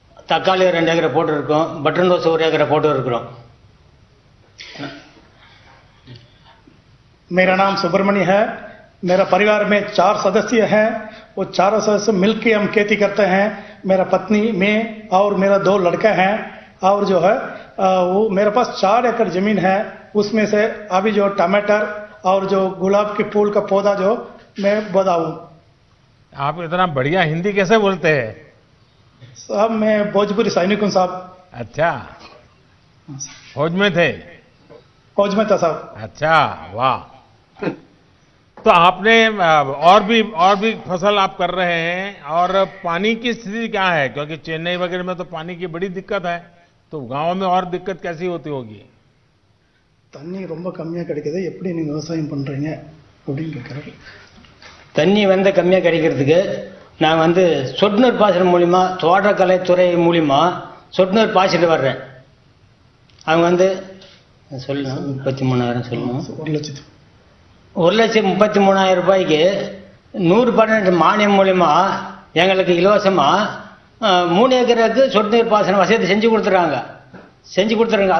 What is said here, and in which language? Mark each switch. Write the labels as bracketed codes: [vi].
[ta] தக்காளி 2 ஏக்கரை போட்டிருக்கோம், பட்டன் தோசை 1 ஏக்கரை போட்டுருக்குறோம். [hi] मेरा नाम सुब्रमणि है, मेरा परिवार में 4 सदस्य हैं, वो 4 सदस्य मिलकर हम खेती करते हैं। मेरा पत्नी, मैं और मेरा 2 लड़के हैं, और जो है वो मेरे पास 4 एकड़ जमीन है, उसमें से अभी जो टमाटर और जो गुलाब के फूल का पौधा जो मैं बोता हूँ। आप इतना बढ़िया हिंदी कैसे बोलते हैं? साहब मैं भोजपुरी सैनिक हूँ साहब। अच्छा, भोज में थे? भोज में था साहब। अच्छा वाह। तो आपने और भी फसल आप कर रहे हैं, और पानी की स्थिति क्या है? क्योंकि चेन्नई वगैरह में तो पानी की बड़ी दिक्कत है, तो गांव में और दिक्कत कैसी होती होगी? [ta] தண்ணி ரொம்ப கம்மியா கிடைக்குது, எப்படி நீங்க விவசாயம் பண்றீங்க அப்படிங்க கேக்குறாரு. தண்ணி வந்து கம்மியா கிடைக்கிறதுக்கு நான் வந்து சொட்டு நீர் பாசனம் மூலமா, தோட்டக்கலை துறை மூலமா சொட்டு நீர் பாசிட்டு வர்றேன். அவங்க வந்து சொல்லணும், 33,000 சொல்லணும், 1,33,000 ரூபாய்க்கு 112 மானியம் மூலமா எங்களுக்கு இலவசமாக 3 ஏக்கருக்கு சொட்டு நீர் பாசன வசதி செஞ்சு கொடுத்துறாங்க, செஞ்சு கொடுத்துருங்க.